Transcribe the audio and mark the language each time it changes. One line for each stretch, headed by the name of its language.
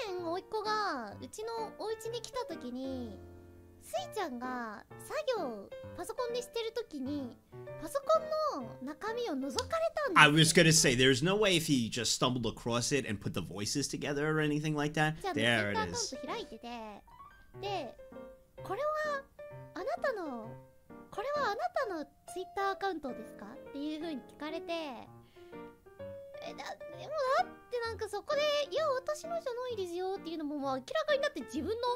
Japanese: あれ?なんだ?甥っこ?どこまでが甥っこっていうのかちょっとわかんないから、ちょっとわかんないんだけど、田舎からですね、我が家にですね、やってきたんですよ。その甥っこがな、14歳だったかな。そんくらいの年齢なんだけど、ちなみに今からするのは去年の話ね。去年甥っこがうちのお家に来た時に、
English: I was gonna say, there's no way if he just stumbled across it and put the voices together or anything like that. There it is.
Japanese: で、これはあなたの、これはあなたのツイッターアカウントですか?っていうふうに聞かれて、え、でもなってなんかそこで、いや私のじゃないですよっていうのも明らかになって自分の